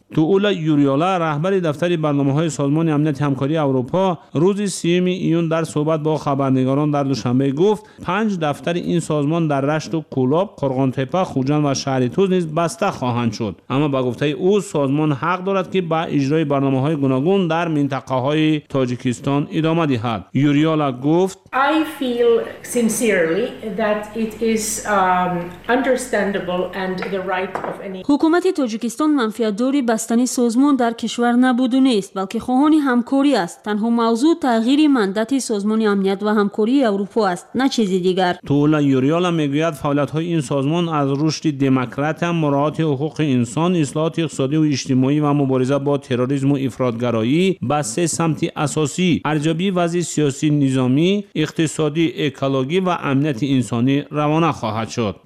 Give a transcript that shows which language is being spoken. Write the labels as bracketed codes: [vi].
[fa] تولا یوریولا رهبر دفتر برنامه های سازمان امنیت همکاری اروپا روز 30 ایون در صحبت با خبرنگاران در دوشنبه گفت 5 دفتر این سازمان در رشت و کولاب، قرغان تپه، خوجند و شهری توز نیز بسته خواهند شد. اما به گفته او سازمان حق دارد که به اجرای برنامه های گوناگون در منطقه های تاجیکستان ادامه دهد. یوریولا گفت: [en] I feel sincerely that it is understandable and the right of any [fa] حکومت تاجیکستان منفعت‌داری بستنی سازمان در کشور نبود و نیست، بلکه خواهان همکاری است. تنها موضوع تغییر مندت سازمان امنیت و همکاری اروپا است، نه چیز دیگر. تولا یوریالا میگوید فعالیت های این سازمان از رشد دموکراسی، مراعات حقوق انسان، اصلاحات اقتصادی و اجتماعی و مبارزه با تروریسم و افراطگرایی به 3 سمت اساسی ارزیابی وضع سیاسی، نظامی، اقتصادی، اکولوژی و امنیت انسانی روانه خواهد شد.